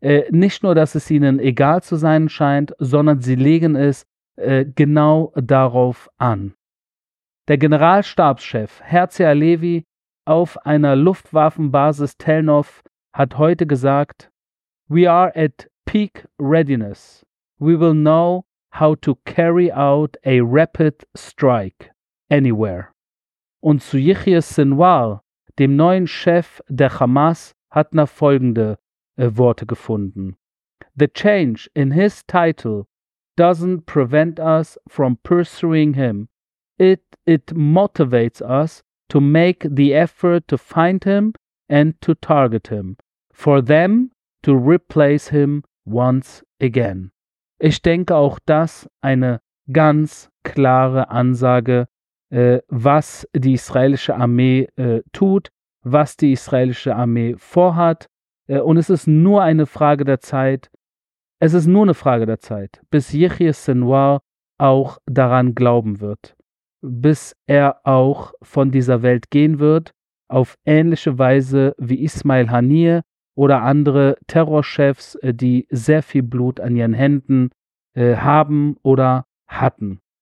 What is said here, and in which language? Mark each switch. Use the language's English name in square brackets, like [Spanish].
[German] Nicht nur, dass es ihnen egal zu sein scheint, sondern sie legen es genau darauf an. Der Generalstabschef Herzi Halevi auf einer Luftwaffenbasis Tel Nof hat heute gesagt: [English] "We are at peak readiness. We will know how to carry out a rapid strike anywhere." [German] Und zu Yihya Sinwar, dem neuen Chef der Hamas, hat er folgende Worte gefunden: [English] "The change in his title doesn't prevent us from pursuing him. It motivates us to make the effort to find him and to target him. For them to replace him once again." [German] Ich denke, auch das eine ganz klare Ansage, was die israelische Armee tut, was die israelische Armee vorhat. Und es ist nur eine Frage der Zeit, bis Yihya Sinwar auch daran glauben wird, bis er auch von dieser Welt gehen wird, auf ähnliche Weise wie Ismail Haniyeh oder andere Terrorchefs, die sehr viel Blut an ihren Händen haben oder hatten.